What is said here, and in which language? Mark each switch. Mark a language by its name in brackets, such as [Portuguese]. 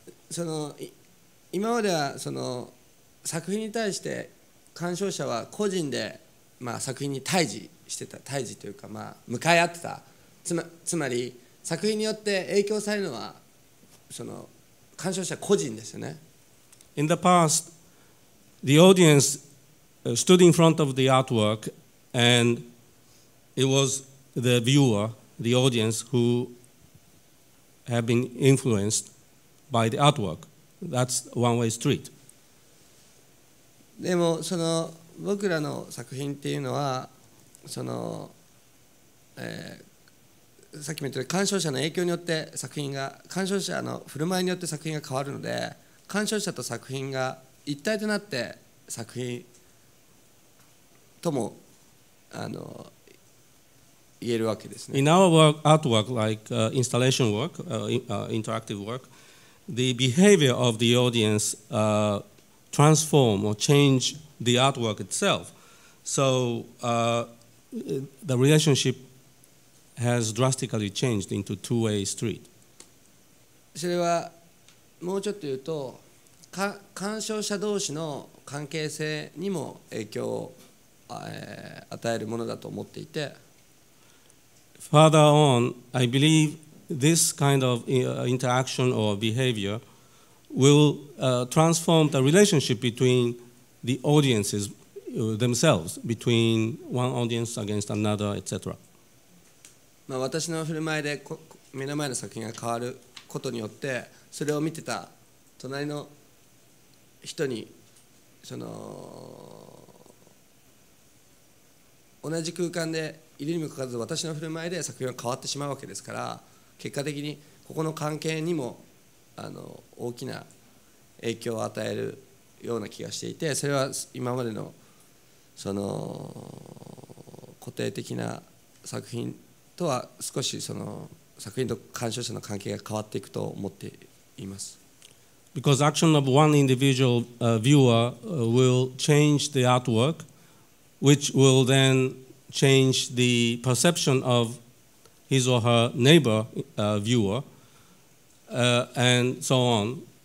[Japanese] その今まではその作品に対して鑑賞者は個人で、まあ、作品に対峙してた、対峙というか、まあ、向かい合ってた。つまり作品によって影響されるのはその鑑賞者個人ですよね。 [English] In the past, the audience stood in front of the artwork and it was the viewer, the audience, who had been influenced by the artwork. That's one way street. [Japanese] でもその僕らの作品っていうのはその、さっきも言ったように鑑賞者の影響によって作品が鑑賞者の振る舞いによって作品が変わるので、鑑賞者と作品が一体となって作品とも言えるわけですね。 [English] In our work, artwork like installation work, interactive work, the behavior of the audience transform or change the artwork itself. So the relationshiphas drastically changed into two-way street. [Japanese] それはもうちょっと言うと、鑑賞者同士の関係性にも影響を与えるものだと思っていて。 [English] Further on, I believe this kind of interaction or behavior will transform the relationship between the audiences themselves, between one audience against another, etc. [Japanese] まあ、私の振る舞いで目の前の作品が変わることによって、それを見てた隣の人にその同じ空間でいるにもかかわらず私の振る舞いで作品は変わってしまうわけですから結果的にここの関係にも大きな影響を与えるような気がしていてそれは今までのその固定的な作品とは少しその作品と鑑賞者の関係が変わっていくと思っています。 [English] Because action of one individual viewer will change the artwork, which will then change the perception of his or her neighbor viewer, and so on.